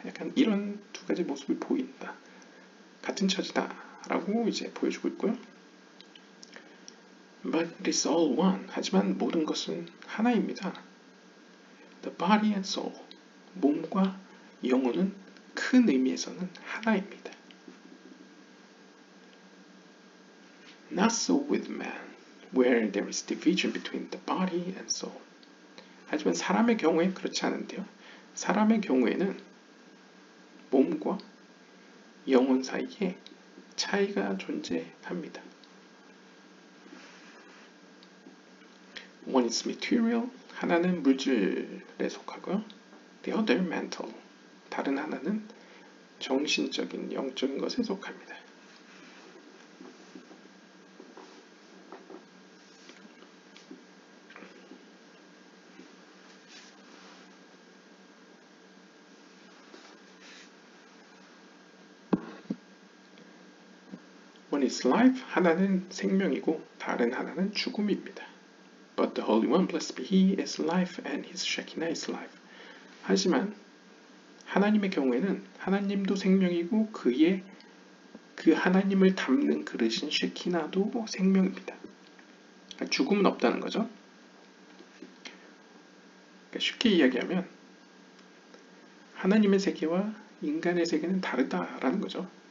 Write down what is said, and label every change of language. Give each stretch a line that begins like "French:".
Korean: 약간 이런 두 가지 모습이 보인다. 같은 처지다라고 이제 보여주고 있고요.
English: But it is all one.
Korean: 하지만 모든 것은 하나입니다.
English: The body and soul.
Korean: 몸과 영혼은 큰 의미에서는 하나입니다.
English: Not so with man, where there is division between the body and soul.
Korean: 하지만 사람의 경우에는 그렇지 않은데요. 사람의 경우에는 몸과 영혼 사이에 차이가 존재합니다.
English: One is material,
Korean: 하나는 물질에 속하고요.
English: The other, mental,
Korean: 다른 하나는 정신적인, 영적인 것에 속합니다. 하나는 생명이고 다른 하나는 죽음입니다.
English: But the Holy One, blessed be He, is life and His Shekinah is life.
Korean: 하지만 하나님의 경우에는 하나님도 생명이고 그 하나님을 담는 그릇인 쉐키나도 생명입니다. 죽음은 없다는 거죠. 그러니까 쉽게 이야기하면 하나님의 세계와 인간의 세계는 다르다라는 거죠.